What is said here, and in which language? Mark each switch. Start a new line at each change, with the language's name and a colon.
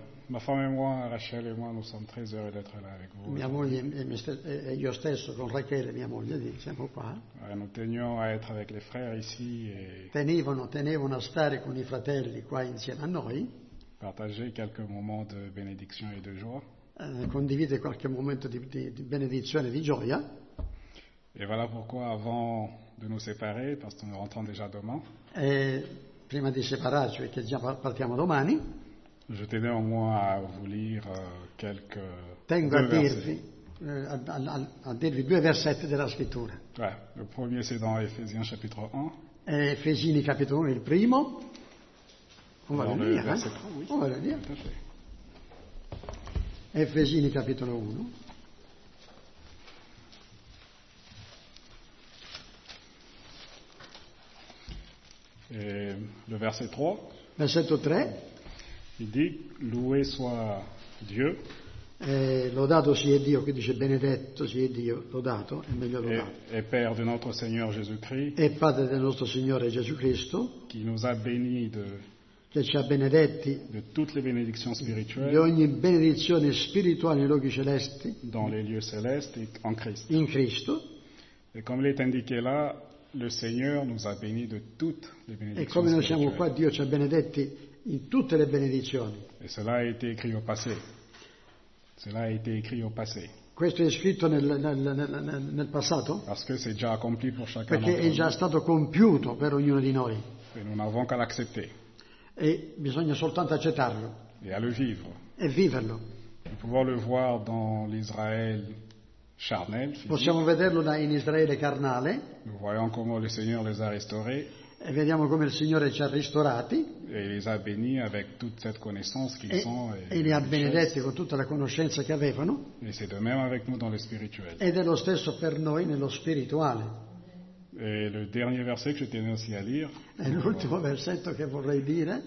French: Ma femme et moi, Rachel et moi, nous sommes très heureux d'être là avec vous.
Italian: Mia moglie e io stesso con Rachel e mia moglie siamo qua.
French: Nous tenions à être avec les frères ici.
Italian: Tenevano a stare con i fratelli qua insieme a noi.
French: Partager quelques moments de bénédiction et de joie.
Italian: Condividere qualche momento di benedizione e di gioia.
French: Et voilà pourquoi, avant de nous séparer, parce que nous rentrons déjà demain.
Italian: Et prima di separarci, cioè che già partiamo domani.
French: Je tenais au moins à vous lire quelques
Italian: Tengo
French: deux à
Italian: dirvi due versetti della scrittura.
French: Ouais, le premier c'est dans Ephésiens chapitre 1. Et Ephésiens chapitre 1,
Italian: il primo.
French: On va le lire. On va le lire. Ephésiens chapitre 1. Et le verset 3.
Italian: Versetto 3.
French: Il dit, loué soit Dieu.
Italian: Lodato sia Dio, qui dice benedetto sia Dio, lodato, è meglio lodato.
French: Et Père de notre Seigneur Jésus-Christ.
Italian: E Padre del nostro Signore Gesù Cristo.
French: Qui nous a bénis de.
Italian: Che ci ha benedetti.
French: De toutes les bénédictions spirituelles.
Italian: Di ogni benedizione spirituale nei luoghi celesti.
French: Dans les lieux célestes et en Christ.
Italian: In Cristo.
French: Et comme il est indiqué là, le Seigneur nous a bénis de toutes les bénédictions.
Italian: E come noi siamo qua, Dio ci ha benedetti. In tutte le benedizioni.
French: E cela a été écrit au passé. Cela a été écrit au passé.
Italian: Questo è scritto nel passato?
French: Parce que c'est déjà accompli pour chacun.
Italian: Perché è già stato compiuto per ognuno di noi.
French: Et nous n'avons qu'à l'accepter.
Italian: E bisogna soltanto accettarlo.
French: Et à le vivre.
Italian: E viverlo.
French: Nous pouvons le voir dans l'Israël charnel.
Italian: Possiamo vederlo in Israele carnale.
French: Nous voyons comment le Seigneur les a restaurés.
Italian: E vediamo come il Signore ci ha ristorati.
French: Et les a bénis avec toute cette connaissance qu'ils et, ont.
Italian: E li ha benedetti con tutta la conoscenza che avevano.
French: Et c'est de même avec nous dans le spirituel.
Italian: Ed è lo stesso per noi nello spirituale.
French: Et le dernier verset que je tenais aussi à lire.
Italian: E l'ultimo versetto che vorrei dire.